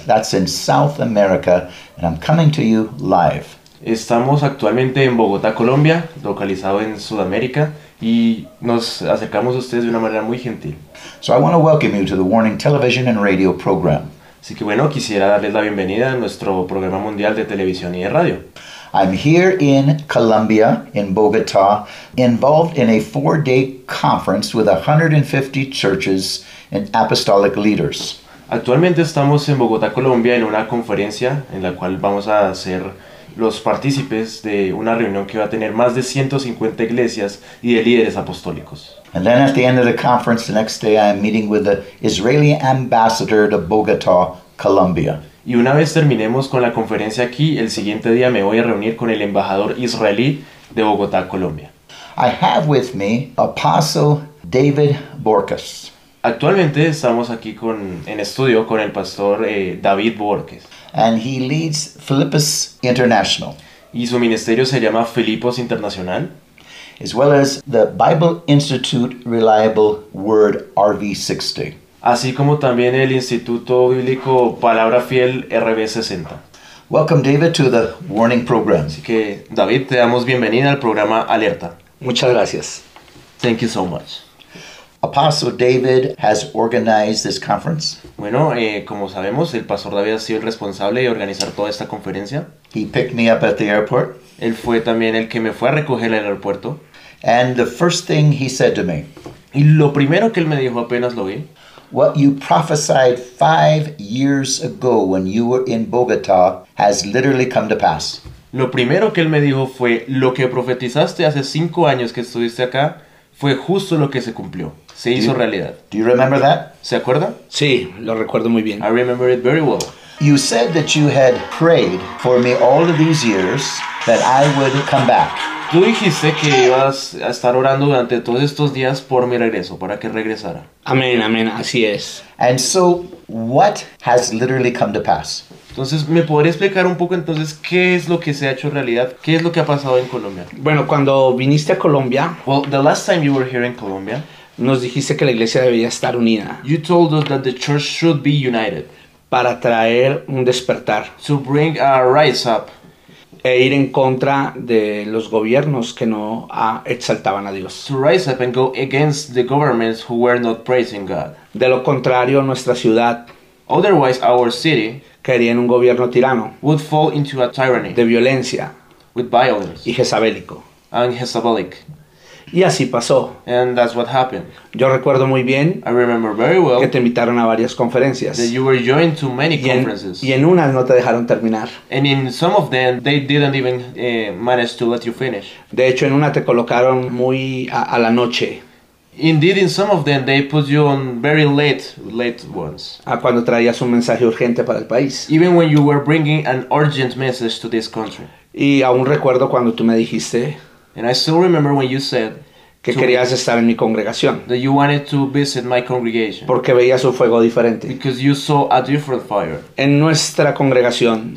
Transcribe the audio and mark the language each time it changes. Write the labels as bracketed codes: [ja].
[en] That's in South America, and I'm coming to you live. [es] Estamos actualmente en Bogotá, Colombia, localizado en Sudamérica, y nos acercamos a ustedes de una manera muy gentil. [en] So I want to welcome you to the Warning Television and Radio program. [es] Así que bueno, quisiera darles la bienvenida a nuestro programa mundial de televisión y de radio. [en] I'm here in Colombia, in Bogotá, involved in a 4-day conference with 150 churches and apostolic leaders. [es] Actualmente estamos en Bogotá, Colombia, en una conferencia en la cual vamos a ser los partícipes de una reunión que va a tener más de 150 iglesias y de líderes apostólicos. [en] And then at the end of the conference, the next day, I am meeting with the Israeli ambassador to Bogotá, Colombia. [es] Y una vez terminemos con la conferencia aquí, el siguiente día me voy a reunir con el embajador israelí de Bogotá, Colombia. [en] I have with me Apostle David Borges. [es] Actualmente estamos aquí en estudio con el pastor David Borges. [en] And he leads Philippus International. [es] Y su ministerio se llama Philippus Internacional. [en] As well as the Bible Institute Reliable Word RV60. [es] Así como también el Instituto Bíblico Palabra Fiel RV60. [en] Welcome David to the Warning Program. [es] Así que David, te damos bienvenida al programa Alerta. Muchas gracias. [en] Thank you so much. Apostle David has organized this conference. [es] Bueno, como sabemos, el pastor David ha sido el responsable de organizar toda esta conferencia. [en] He picked me up at the airport. [es] Él fue también el que me fue a recoger al aeropuerto. [en] And the first thing he said to me. [es] Y lo primero que él me dijo apenas lo vi. [en] What you prophesied 5 years ago when you were in Bogotá has literally come to pass. [es] Lo primero que él me dijo fue, lo que profetizaste hace 5 años que estuviste acá fue justo lo que se cumplió. Se hizo realidad. [en] Do you remember that? [es] ¿Se acuerda? Sí, lo recuerdo muy bien. [en] I remember it very well. You said that you had prayed for me all of these years that I would come back. [es] Tú dijiste que ibas a estar orando durante todos estos días por mi regreso, para que regresara. Amén, amén, así es. [en] And so, what has literally come to pass? [es] Entonces, ¿me podría explicar un poco entonces qué es lo que se ha hecho realidad? ¿Qué es lo que ha pasado en Colombia? Bueno, cuando viniste a Colombia... [en] Well, the last time you were here in Colombia... [es] Nos dijiste que la iglesia debía estar unida. [en] You told us that the church should be united. [es] Para traer un despertar. [en] To bring a rise up. [es] E ir en contra de los gobiernos que no exaltaban a Dios. [en] To rise up and go against the governments who were not praising God. [es] De lo contrario, nuestra ciudad. [en] Otherwise, our city. [es] Caería en un gobierno tirano. [en] Would fall into a tyranny. [es] De violencia. [en] With violence. [es] Y jezabelico. [en] And jezabelic. [es] Y así pasó. [en] And that's what happened. [es] Yo recuerdo muy bien. [en] I remember very well. [es] Que te invitaron a varias conferencias. [en] That you were joined to many conferences. [es] Y en unas no te dejaron terminar. [en] And in some of them, they didn't even manage to let you finish. [es] De hecho, en una te colocaron muy a la noche. [en] Indeed, in some of them, they put you on very late ones. [es] A cuando traías un mensaje urgente para el país. [en] Even when you were bringing an urgent message to this country. [es] Y aún recuerdo cuando tú me dijiste. [en] And I still remember when you said [es] que querías estar en mi congregación. [en] That you wanted to visit my congregation. [es] Porque veías un fuego diferente. [en] Because you saw a different fire. [es] En nuestra congregación.